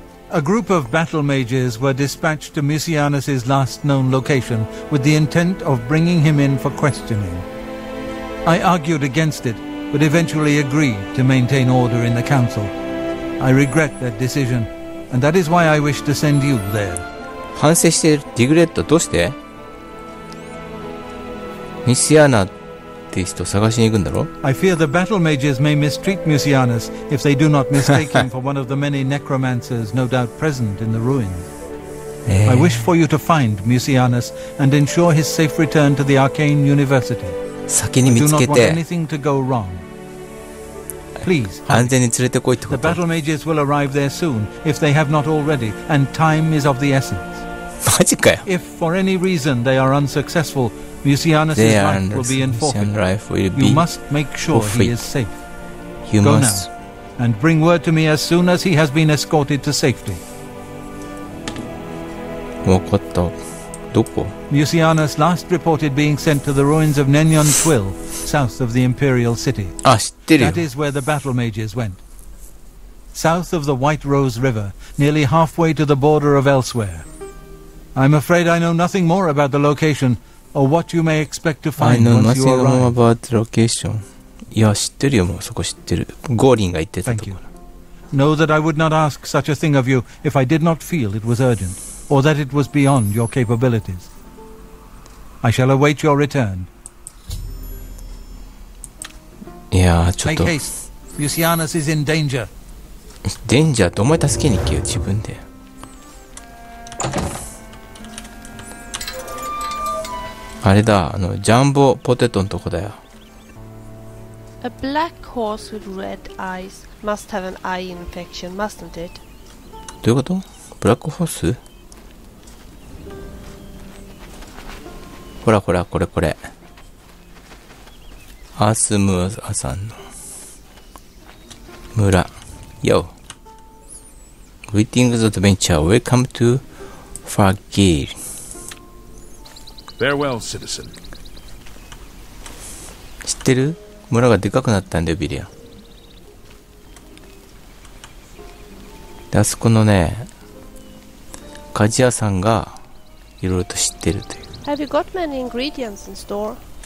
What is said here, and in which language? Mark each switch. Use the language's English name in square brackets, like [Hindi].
[English] A group of battle mages were dispatched to Mucianus' last known location with the intent of bringing him in for questioning. I argued against it, but eventually agreed to maintain order in the council. I regret that decision, and that is why I wish to send you there. [Japanese] 反省してる、ディグレット、どうして？ミシアナって人探しに行くんだろ？ [English] I fear the battle mages may mistreat Mucianus if they do not mistake him for one of the many necromancers no doubt present in the ruins. I wish for you to find Mucianus and ensure his safe return to the Arcane University. [Japanese] 先に見つけて。 [English] I do not want anything to go wrong. Please, [Japanese] 安全に連れてこいってこと。 [English] The battle mages will arrive there soon if they have not already, and time is of the essence. マジかよ。 If for any reason they are unsuccessful,Mucianus' life will be in forfeit. You must make sure he is safe. You go now and bring word to me as soon as he has been escorted to safety. [Japanese] わかった。どこ？ [English] Mucianus last reported being sent to the ruins of Nenyon Twill, south of the Imperial City. [Japanese] あ、知ってるよ。 [English] That is where the battle mages went. South of the White Rose River, nearly halfway to the border of elsewhere. I'm afraid I know nothing more about the location. Or what you may expect to find once you arrive. I know nothing more about the location. [Japanese] いや、知ってるよ、もうそこ知ってる。ゴーリンが言ってたところ。 [English] Thank you. Know that I would not ask such a thing of you if I did not feel it was urgent, or that it was beyond your capabilities. I shall await your return. [Japanese] いや、ちょっと。 [English] Make haste. Mucianus is in danger. Danger? [Japanese] どうも助けに行けよ、自分で。あれだ、あのジャンボポテトのとこだよ。 [English] A black horse with red eyes must have an eye infection, mustn't it? [Japanese] どういうこと？ブラックホース？ほらほら、これこれ。アスムアさんの村。Yo! [English] Greetings adventure, welcome to Fargil. Farewell, citizen. [Japanese] 知ってる？村がでかくなったんだよ、ビリア。で、あそこのね、鍛冶屋さんがいろいろと知ってるという。 [English] Have you got many ingredients in store?